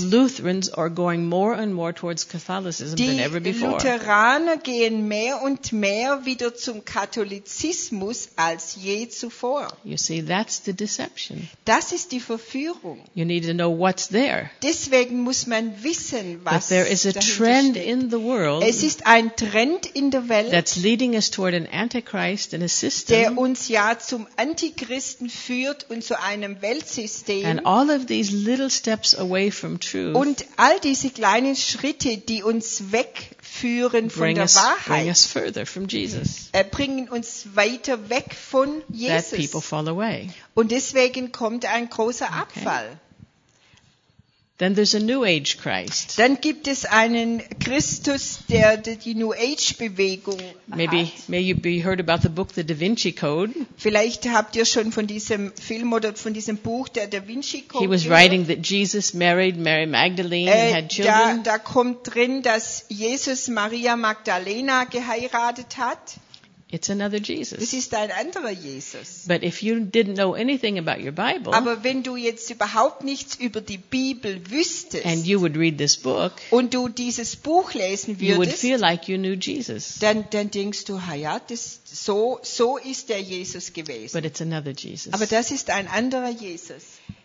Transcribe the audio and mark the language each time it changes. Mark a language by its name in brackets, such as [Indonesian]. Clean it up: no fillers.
[English] the Lutherans are going more and more towards Catholicism than ever before. [German] Die Lutheraner gehen mehr und mehr wieder zum Katholizismus als je zuvor. [English] You see, that's the deception. [German] Das ist die Verführung. [English] You need to know what's there. [German] Deswegen muss man wissen, was [English] But there is a trend in the world, [German] es ist ein Trend in der Welt, [English] that's leading us toward an Antichrist and a system, [German] der uns ja zum Antichristen führt und zu einem Weltsystem. [English] And all of these little steps away from truth, [German] und all diese kleinen Schritte, die uns wegführen von der Wahrheit, [English] bring us further from Jesus. [German] Bringen uns weiter weg von Jesus. [English] That people fall away. [German] Und deswegen kommt ein großer Abfall. Okay. [English] Then there's a New Age Christ. [German] Dann gibt es einen Christus, der die New Age Bewegung [English] Maybe, [German] hat. [English] Maybe you heard about the book The Da Vinci Code. [German] Vielleicht habt ihr schon von diesem Film oder von diesem Buch der Da Vinci Code. [English] He was [German] gehört. [English] Writing that Jesus married Mary Magdalene and had children. [German] Da kommt drin, dass Jesus Maria Magdalena geheiratet hat. [English] It's another Jesus. [German] Das ist ein anderer Jesus. [English] But if you didn't know anything about your Bible, [German] aber wenn du jetzt überhaupt nichts über die Bibel wüsstest, [English] and you would read this book, [German] und du dieses Buch lesen würdest, [English] you would feel like you knew Jesus. [German] Dann denkst du, ja, das, so ist der Jesus gewesen. [English] But it's another Jesus. [German] Aber das ist ein anderer Jesus.